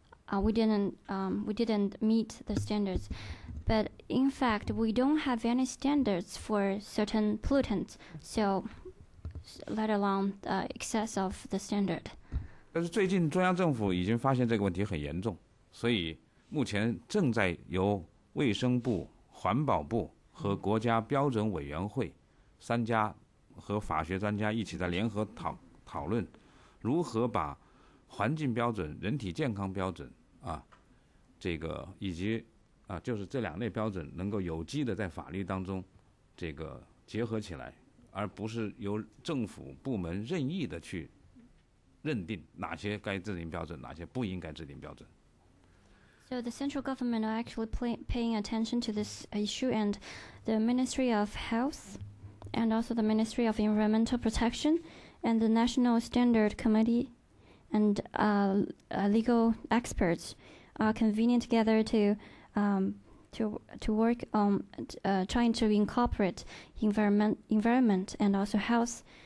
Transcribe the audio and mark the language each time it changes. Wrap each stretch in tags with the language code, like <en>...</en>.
<en>We didn't meet the standards. But in fact, we don't have any standards for certain pollutants. So, let alone excess of the standard.</en> <zh>但是最近中央政府已经发现这个问题很严重，所以目前正在由卫生部、环保部和国家标准委员会三家和法学专家一起在联合讨论如何把环境标准、人体健康标准啊，这个以及啊，就是这两类标准能够有机的在法律当中这个结合起来，而不是由政府部门任意的去认定哪些该制定标准，哪些不应该制定标准。</zh> <en>So the central government are actually paying attention to this issue, and the Ministry of Health, and also the Ministry of Environmental Protection, and the National Standard Committee, and legal experts are convening together to work on trying to incorporate environment and also health.</en>